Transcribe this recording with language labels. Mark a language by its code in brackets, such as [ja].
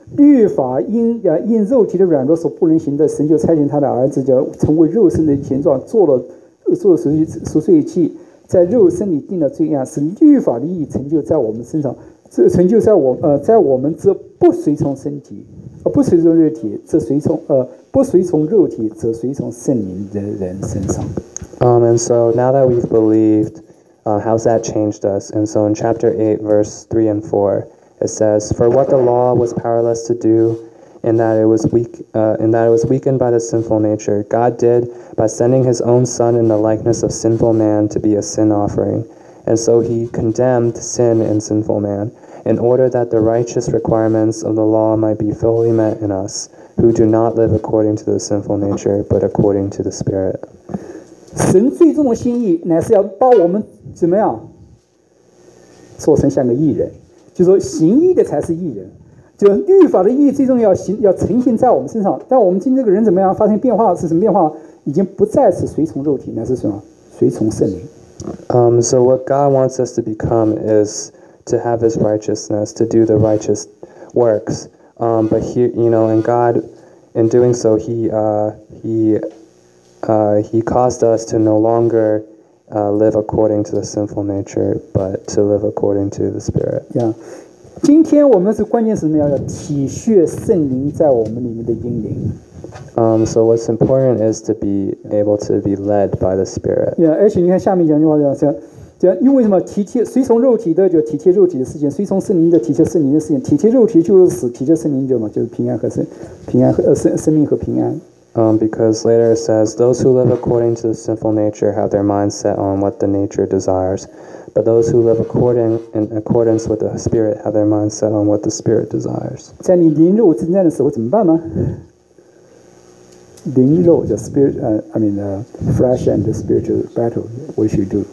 [zh] 律法因肉体的软弱所不能行的，神就差遣他的儿子，就成为肉身的形状，做了赎罪祭，在肉身里定了罪案，使律法的意义成就在我们身上，成就在我在我们这不随从身体，不随从肉体，则随从不随从肉体，则随从圣灵的人身上。 [en] And so now that we've believed, how's that changed us? And so in chapter 8, verse 3 and 4.It says, for what the law was powerless to do, and that it was weak, and that it was weakened by the sinful nature. God did by sending his own son in the likeness of sinful man to be a sin offering. And so he condemned sin in sinful man in order that the righteous requirements of the law might be fully met in us who do not live according to the sinful nature, but according to the Spirit. [zh] 神最终的心意乃是要把我们怎么样做成像个义人，就说行义的才是义人，就律法的义最终 要呈现在我们身上。但我们今天这个人怎么样发生变化，是什么变化？已经不再是随从肉体，乃是什么？随从圣灵。 [en] So what God wants us to become is to have his righteousness, to do the righteous works. But he, you know, and God, in doing so, he caused us to no longer live according to the sinful nature, but to live according to the Spirit. Yeah. [zh] 今天我们是关键是什么？要体恤圣灵在我们里面的引领。 [en] So what's important is to be able to be led by the Spirit. [zh] Yeah, 而且你看下面讲句话，讲因为什么？体贴随从肉体的就体贴肉体的事情，随从圣灵的体贴圣灵的事情。体贴肉体就是死，体贴圣灵就嘛就是平安和生命和平安。 [en] Because later it says, those who live according to the sinful nature have their mind set on what the nature desires, but those who live according in accordance with the Spirit have their mind set on what the Spirit desires. [zh] 在你灵肉征战的时候怎么办吗？灵肉就 [en] spirit, flesh and the spiritual battle, what should you do?